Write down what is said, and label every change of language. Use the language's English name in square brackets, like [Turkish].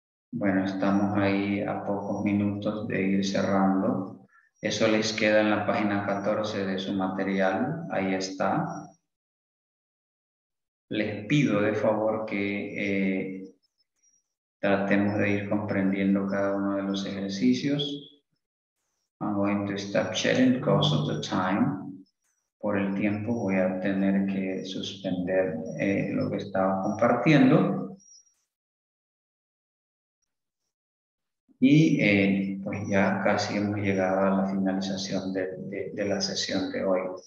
[Spanish] Bueno, estamos ahí a pocos minutos de ir cerrando. Eso les queda en la página 14 de su material. Ahí está. Les pido de favor que tratemos de ir comprendiendo cada uno de los ejercicios. [English] I'm going to stop sharing because of the time. [Spanish] Por el tiempo voy a tener que suspender lo que estaba compartiendo. Y pues ya casi hemos llegado a la finalización de la sesión de hoy.